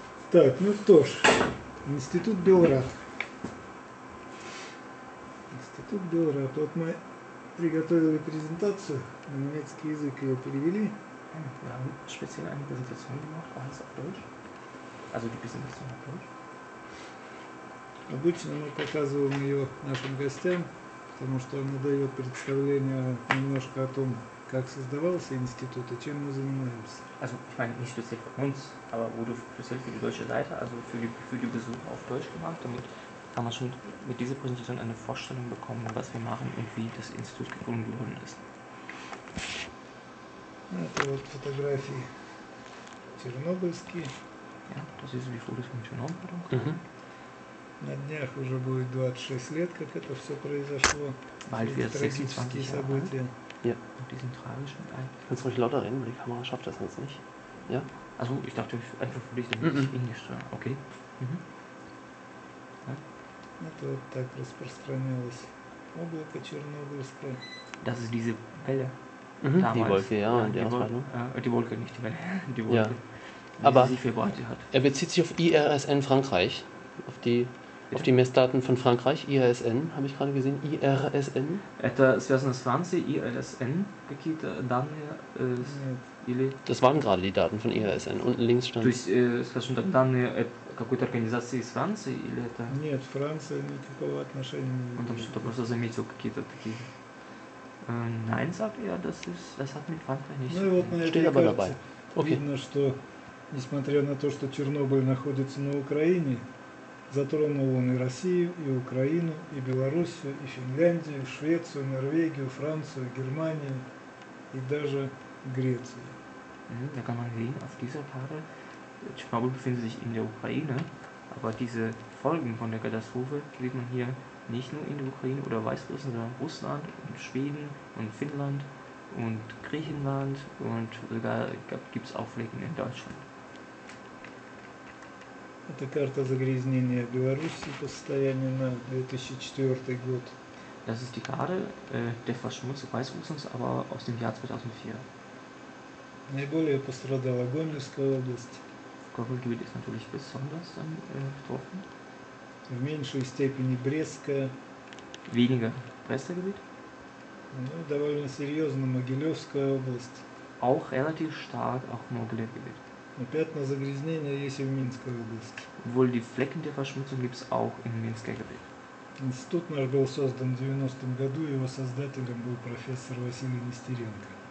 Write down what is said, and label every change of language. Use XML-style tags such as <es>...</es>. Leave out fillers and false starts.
<ru>Так, ну что ж, Институт Белрад. Институт Белрад. Вот мы приготовили презентацию на немецкий язык, ее перевели.</ru> <de>Wir haben speziell eine Präsentation gemacht, alles auf Deutsch. Also die Präsentation auf Deutsch.</de> <ru>Обычно мы показываем ее нашим гостям, потому что она дает представление немножко о том, как создавался институт и чем мы занимаемся.</ru> <de>Also, ich meine, nicht speziell für uns, aber wurde speziell für die deutsche Seite, also für die Besucher auf Deutsch gemacht. Damit kann man schon mit dieser Präsentation eine Vorstellung bekommen, was wir machen und wie das Institut gegründet worden ist.</de> <ru>Это вот фотографии чернобыльские.</ru> <de>Das ist die Fotos von Tschernobyl.</de> <ru>На днях уже будет 26 лет, как это все произошло.</ru> <de>Bald wird 26 Jahre alt. Ja, mit diesem tragischen Teil. Kannst du ruhig lauter reden, weil die Kamera schafft das jetzt nicht. Ja? Achso, ich dachte einfach für dich, damit ich Englisch höre. Okay.</de> <ru>Это вот так распространялось. Облако чернобыльское.</ru> <de>Das ist diese Welle. Die Wolke, ja. Und die Wolke, nicht die Welle. Die Wolke, ja. Aber sie sich verbreitet hat. Er bezieht sich auf IRSN Frankreich. Auf die Messdaten von Frankreich, IRSN, habe ich gerade gesehen, IRSN.</de> <ru>Это связано с Францией, IRSN, какие-то данные, или...</ru> <de>Das waren gerade die Daten von IRSN, unten links stand...</de> <ru>То есть, скажем так, данные какой-то организации из Франции, или это... Нет, Франция никакого отношения не имеет. Он там что-то просто заметил, какие-то такие...</ru> <de>Nein, sagt er, das hat mit Frankreich nicht...</de> <ru>Ну и вот на этой карте видно, что, несмотря на то, что Чернобыль находится на Украине, затронул он и Россию, и Украину, и Белоруссию, и Финляндию, и Швецию, Норвегию, Францию, Германию и даже Грецию.</ru> <de>Da kann man sehen, auf dieser Karte, Tschernobyl befindet sich in der Ukraine, aber diese Folgen von der Katastrophe sieht man hier nicht nur in der Ukraine oder Weißrussland, sondern Russland und Schweden und Finnland und Griechenland und sogar gibt es auch Flecken in Deutschland.</de> <ru>Это карта загрязнения Беларуси по состоянию на 2004 год.</ru> <de>Das ist die Karte der Verschmutzung Weißrusslands, aber aus dem Jahr 2004.</de> <ru>Наиболее пострадала Гомельская область.</ru> <de>Гомельгебiet ist natürlich besonders betroffen.</de> <ru>В меньшей степени Брестская.</ru> <de>Weniger Брестское Gebiet.</de> <ru>Ну, довольно серьезно Могилевская область.</ru> <de>Auch relativ stark auch Могилевgebiet.</de> <ru>Но пятна загрязнения есть и в Минской области.</ru> <de>Wohl die Flecken der Verschmutzung gibt's auch in Minsker Gebiet.</de> <ru>Институт наш был создан в 90-м году, его создателем был профессор Василий Нестеренко.</ru>